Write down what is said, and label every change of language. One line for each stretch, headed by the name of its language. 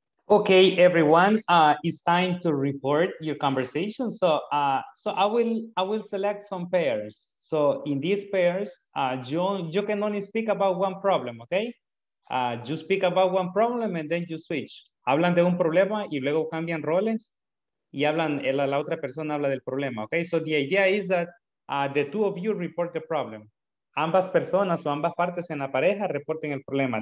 English: Okay, everyone, it's time to report your conversation. So I will select some pairs. So in these pairs, you can only speak about one problem, okay? You speak about one problem and then you switch.
Spanish: Hablan de un problema y luego cambian roles y hablan, la otra persona habla del problema, okay?
English: So the idea is that the two of you report the problem.
Spanish: Ambas personas o ambas partes en la pareja reporten el problema.